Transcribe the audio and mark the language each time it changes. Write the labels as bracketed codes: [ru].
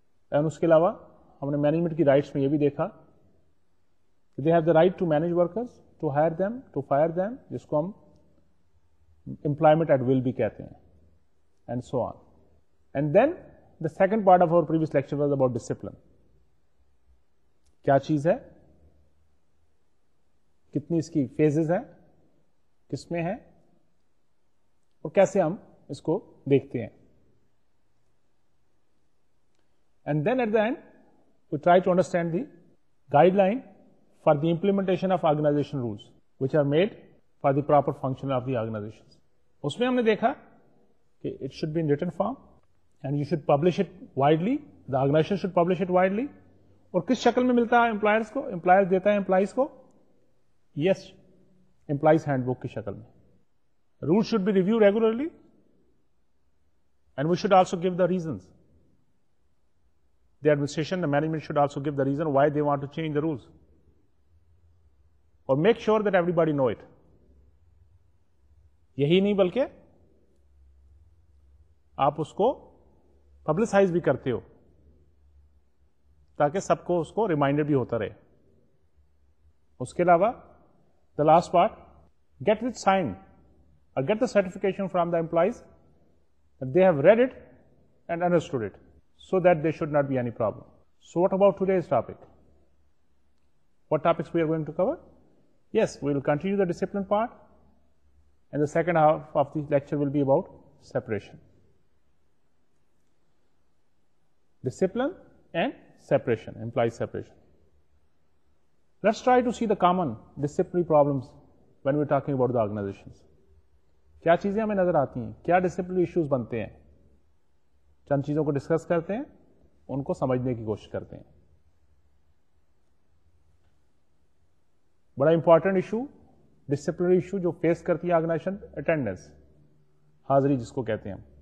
[en] And [ur] uske alawa, humne management ki rights mein ye bhi dekha, [en] they have the right to manage workers, to hire them, to fire them, [ur] jisko hum employment at will bhi kehte hain, [en] and so on. And then, the second part of our previous lecture was about discipline. [ur] کیا چیز ہے، کتنی اس کی phases ہیں، کس میں ہیں، اور کیسے ہم اس کو دیکھتے ہیں. [en] And then at the end we try to understand the guide line for the implementation of organization rules which are made for the proper function of the organization. [ur] اس میں ہم نے دیکھا کہ [en] It should be in written form and you should publish it widely, the organization should publish it widely. [ur] اور کس شکل میں ملتا ہے امپلائرز کو؟ امپلائر دیتا ہے امپلائیز کو، یس، امپلائیز ہینڈ بک کی شکل میں. [en] Rule should be review regularly and we should also give the reasons. The administration, the management should also give the reason why they want to change the rules, اور make sure that everybody know it. [ur] یہی نہیں بلکہ آپ اس کو publicise بھی کرتے ہو تاکہ سب کو اس کو ریمائنڈر بھی ہوتا رہے. اس کے علاوہ [en] The last part, get it signed اور get the certification from the employees they have read it and understood it so that they should not be any problem. So what about today's topic? What topics we are going to cover? Yes, we will continue the discipline part, and the second half of the lecture will be about separation, discipline and separation, implies separation. Let's try to see the common disciplinary problems when we're talking about the organizations. [ur] کیا چیزیں ہمیں نظر آتی ہیں, کیا disciplinary issues بنتے ہیں. چند چیزوں کو ڈسکس کرتے ہیں, ان کو سمجھنے کی کوشش کرتے ہیں. بڑا امپورٹنٹ ایشو, ڈسپلنری ایشو جو فیس کرتی ہے آرگنائزیشن, اٹینڈنس, حاضری جس کو کہتے ہیں.